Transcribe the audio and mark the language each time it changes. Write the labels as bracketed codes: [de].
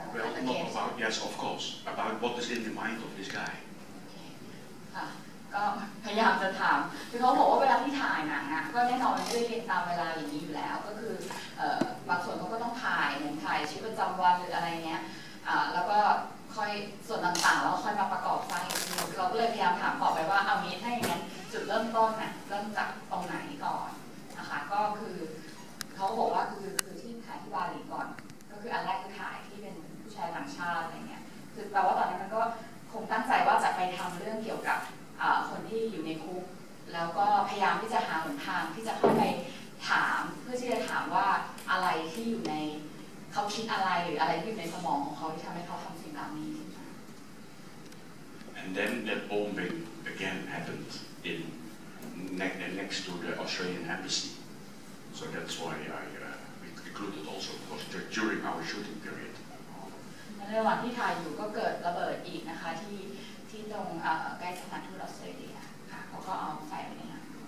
[en] Well, not about, yes, of course, about what is in the mind of this guy. Okay. [th] ก็พยายามจะถามคือเขาบอกว่าเวลาที่ถ่ายหนังอ่ะก็แน่นอนด้วยเรียนตามเวลาอย่างนี้อยู่แล้วก็คือบางส่วนเขาก็ต้องถ่ายเหมือนถ่ายชีวิตประจำวันหรืออะไรเงี้ยแล้วก็ค่อยส่วนต่างๆแล้วค่อยมาประกอบฟังอีกทีเราก็เลยพยายามถามต่อไปว่าเอางี้ถ้าอย่างนั้นจุดเริ่มต้นน่ะเริ่มจากตรงไหนก่อนนะคะก็คือ เขาบอกว่าคือที่ถ่ายที่บาหลีก่อนก็คืออันแรกคือถ่ายที่เป็นชายต่างชาติอะไรเงี้ยคือแปลว่าตอนนั้นมันก็คงตั้งใจว่าจะไปทำเรื่องเกี่ยวกับคนที่อยู่ในคุกแล้วก็พยายามที่จะหาหนทางที่จะเข้าไปถามเพื่อที่จะถามว่าอะไรที่อยู่ในเขาคิดอะไรหรืออะไรที่อยู่ในสมองของเขาที่ทำให้เขาทำสิ่งแบบนี้ [en] And then the bombing again happened in next to the Australian embassy so that's why we exploded also, of course, during our shooting period. [th] ในระหว่างที่ถ่ายอยู่ก็เกิดระเบิดอีกนะคะที่ตรงใกล้สถานทูตออสเตรเลียค่ะเขาก็เอาไฟไปนะ